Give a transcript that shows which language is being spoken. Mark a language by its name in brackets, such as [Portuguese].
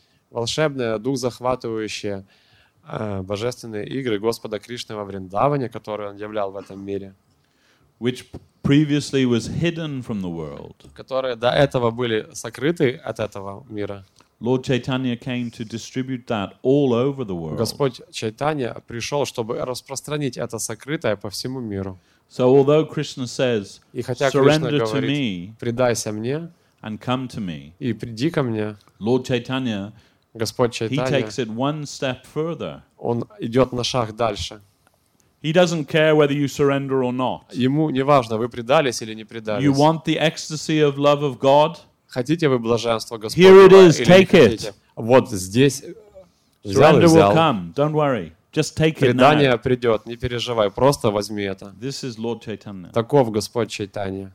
[Russian] волшебное, дух захватывающее божественные игры Господа Кришны во Вриндаване, которые он являл в этом мире. [English] Which previously was hidden from the world. [Russian] Которые до этого были сокрыты от этого мира. [English] Lord Chaitanya came to distribute that all over the world. [Russian] Господь Чайтанья пришел, чтобы распространить это сокрытое по всему миру. [English] So although Krishna says, [Russian] и хотя Кришна говорит, предайся мне, [English] and come to me, [Russian] и приди ко мне, [English] Lord Chaitanya, [Russian] Господь Чайтанья, [English] he takes it one step further. [Russian] Он идет на шаг дальше. [English] He doesn't care whether you surrender or not. [Russian] Ему не важно, вы предались или не предались. [English] You want the ecstasy of love of God? [Russian] Хотите вы блаженство Господа или не хотите? Вот здесь взял. Предание придет, не переживай, просто возьми это. [English] This is Lord Chaitanya. [Russian] Таков Господь Чайтанья.